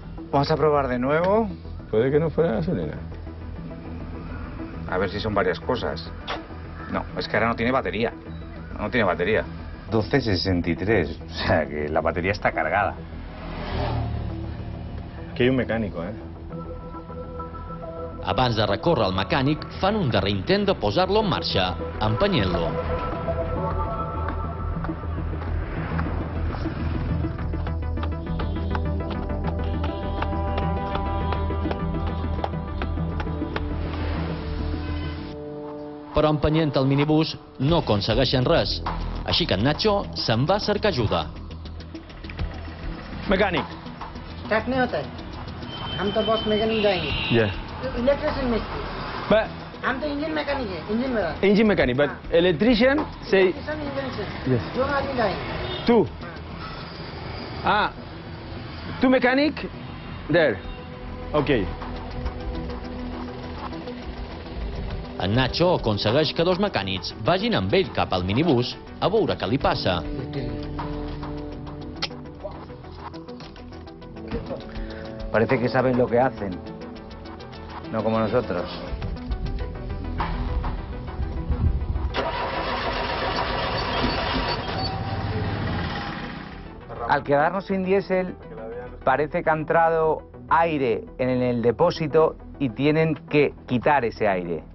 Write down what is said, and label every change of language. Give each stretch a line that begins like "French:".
Spanish: Vamos a probar de nuevo. Puede que no fuera gasolina. A ver si son varias cosas. No, es que ahora no tiene batería. No tiene batería. 1263, o sea que la batería está cargada. Aquí hay un mecánico, ¿eh?
Catalan: Abans de recórrer al mecànic, fan un darrer intent de posar-lo en marxa, empenyent-lo. Però empenyent el minibús no aconsegueixen res, així que en Nacho se'n va a cercar ajuda. Mecànic. Tak neote. Am to bos mecànic d'ahir.
English: Yeah. Electrician Engine mechanic. Engine mechanic, but electrician say. Yes. Two. Ah. Two mechanic. There. Okay.
Catalan: En Nacho aconsegueix que dos mecànics vagin amb ell cap al minibús a veure què li passa.
Spanish: Parece que saben lo que hacen. No como nosotros. Al quedarnos sin diésel, parece que ha entrado aire en el depósito y tienen que quitar ese aire.